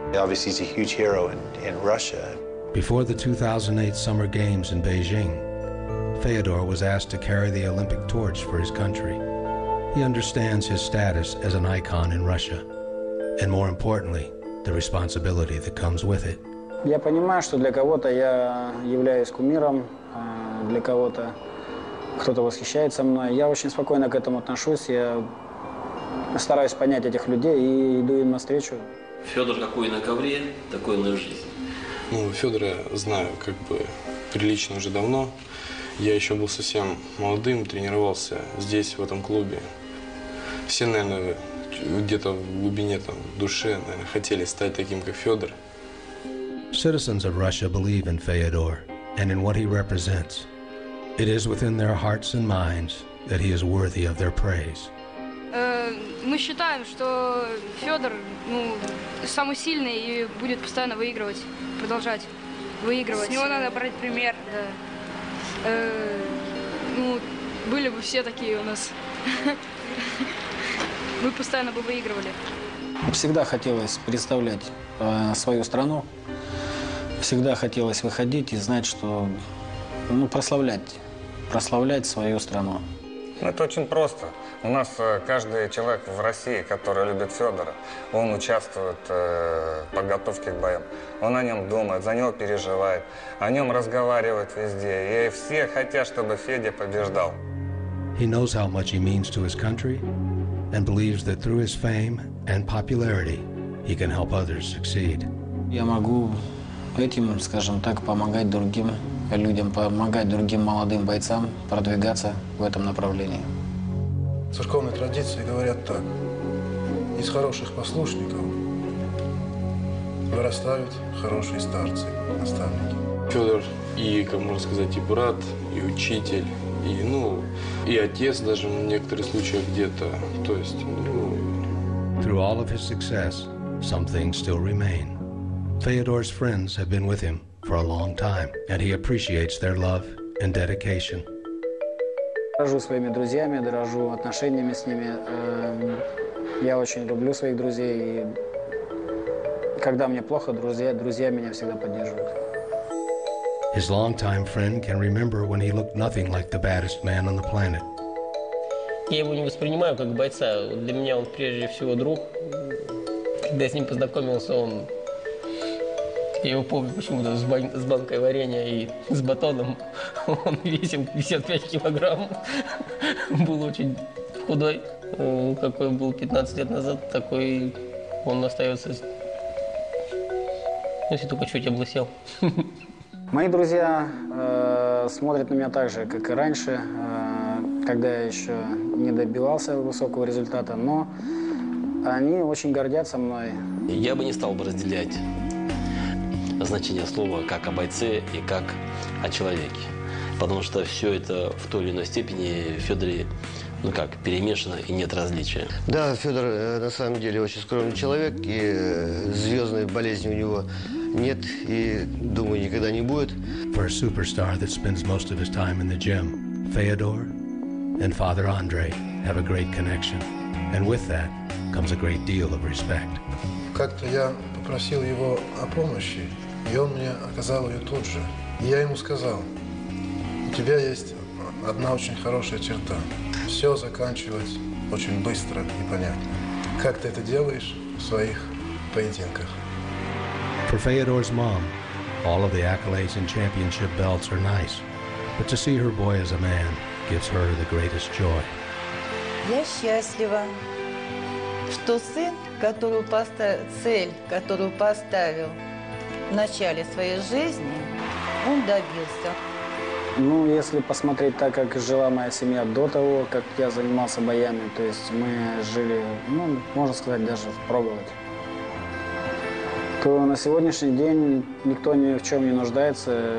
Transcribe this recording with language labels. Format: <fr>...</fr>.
<en>Obviously, he's a huge hero in Russia. Before the 2008 Summer Games in Beijing, Fedor was asked to carry the Olympic torch for his country. He understands his status as an icon in Russia, and more importantly, the responsibility that comes with it.</en> <ru>Я понимаю, что для кого-то я являюсь кумиром, для кого-то кто-то восхищается мной. Я очень спокойно к этому отношусь. Я стараюсь понять этих людей и иду им навстречу. Федор какой на ковре, такой на жизнь. Ну, Федора знаю как бы прилично уже давно. Я еще был совсем молодым, тренировался здесь, в этом клубе. Все, наверное, где-то в глубине, там, в душе, наверное, хотели стать таким, как Федор.</ru> <en>Citizens of Russia believe in Fedor and in what he represents. It is within their hearts and minds that he is worthy of their praise.</en> <ru>Мы считаем, что Федор, ну, самый сильный и будет постоянно выигрывать, продолжать выигрывать. С него надо брать пример. Да. Ну, были бы все такие у нас. Мы постоянно бы выигрывали. Всегда хотелось представлять свою страну. Всегда хотелось выходить и знать, что Ну, прославлять свою страну. Это очень просто. У нас каждый человек в России, который любит Федора, он участвует в подготовке к боям. Он о нем думает, за него переживает, о нем разговаривает везде. И все хотят, чтобы Федя побеждал.</ru> <en>He knows how much he means to his country and believes that through his fame and popularity he can help others succeed.</en> <ru>Я могу этим, скажем так, помогать другим людям, помогать другим молодым бойцам продвигаться в этом направлении. Церковные традиции говорят так. Из хороших послушников вырастают хорошие старцы, наставники. Федор и, как можно сказать, и брат, и учитель, и, ну, и отец даже в некоторых случаях где-то. То есть, ну...</ru> <en>Through all of his success, some things still remain. Феодор's friends have been with him for a long time, and he appreciates their love and dedication.</en> <ru>Дорожу своими друзьями, дорожу отношениями с ними. Я очень люблю своих друзей, и когда мне плохо, друзья меня всегда поддерживают.</ru> <en>His longtime friend can remember when he looked nothing like the baddest man on the planet.</en> <ru>Я его не воспринимаю как бойца. Для меня он прежде всего друг. Когда я с ним познакомился, он... Я его помню почему-то с банкой варенья и с батоном. Он весил 55 килограмм. Был очень худой. Какой он был 15 лет назад, такой он остается, если только чуть облысел. Мои друзья смотрят на меня так же, как и раньше, когда я еще не добивался высокого результата, но они очень гордятся мной. Я бы не стал бы разделять значение слова как о бойце и как о человеке. Потому что все это в той или иной степени в Федоре, ну как, перемешано и нет различия. Да, Федор на самом деле очень скромный человек, и звездной болезни у него нет, и, думаю, никогда не будет.</ru> <en>For a superstar that spends most of his time in the gym, Феодор and Father Andre have a great connection. And with that comes a great deal of respect.</en> <ru>Как-то я попросил его о помощи, и он мне оказал ее тут же. И я ему сказал, у тебя есть одна очень хорошая черта. Все заканчивать очень быстро и понятно. Как ты это делаешь в своих поединках?</ru> <en>For Feodor's mom, all of the accolades and championship belts are nice. But to see her boy as a man gives her the greatest joy.</en> <ru>Я счастлива, что сын, которую цель, которую поставил в начале своей жизни, он добился. Ну, если посмотреть так, как жила моя семья до того, как я занимался боями, то есть мы жили, ну, можно сказать, даже в проголодь, то на сегодняшний день никто ни в чем не нуждается.</ru>